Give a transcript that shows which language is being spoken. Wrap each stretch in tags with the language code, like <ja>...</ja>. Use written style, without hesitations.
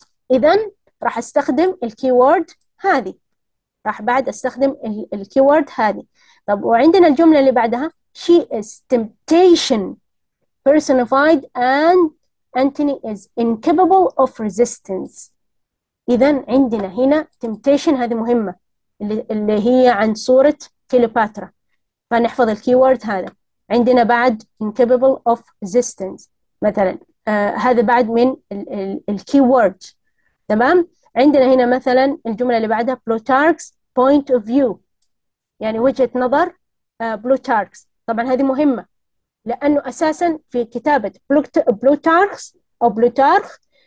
<ar>إذا راح أستخدم الكيورد هذه، راح بعد أستخدم الكيورد هذه. طب وعندنا الجملة اللي بعدها</ar> <en>she is temptation personified and Antony is incapable of resistance.</en> <ar>إذا عندنا هنا temptation هذه مهمة اللي هي عن صورة كليوباترا، فنحفظ الكيورد هذا. عندنا بعد</ar> <en>incapable of resistance</en> <ar>مثلا، هذا بعد من الكي وورد، تمام؟ عندنا هنا مثلا الجملة اللي بعدها بلوتاركس</ar> <en>point of view،</en> <ar>يعني وجهة نظر بلوتاركس، طبعا هذه مهمة لأنه أساسا في كتابة بلوتاركس أو بلوتارخ</ar>